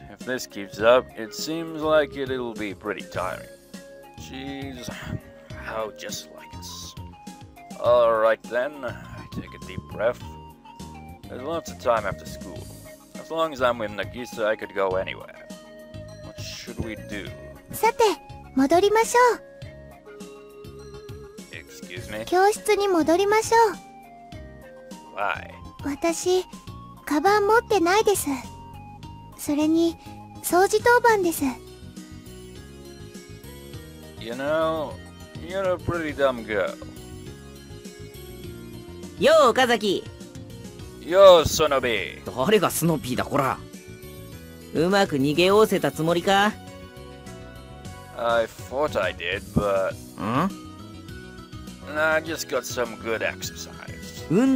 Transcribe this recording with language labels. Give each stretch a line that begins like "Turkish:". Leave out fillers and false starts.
English: If this keeps up, it seems like it'll be pretty tiring. Jeez, how just like us. Alright then, I take a deep breath. There's lots of time after school. As long as I'm with Nagisa, I could go anywhere. What should we do?
Japanese: Sate, 戻りましょう!
English: Excuse me?
Japanese: 教室に戻りましょう!
English: Why?
Japanese: 私、 カバン 持ってないです。それに、 掃除当番です。
English: You know, you're a pretty dumb girl. Yo, Okazaki. Yo, Sonobi.
Japanese: 誰が Snoopy だ、 こら。うまく 逃げおおせたつもりか?
English: I thought I did, but... ん? I just got some good exercise.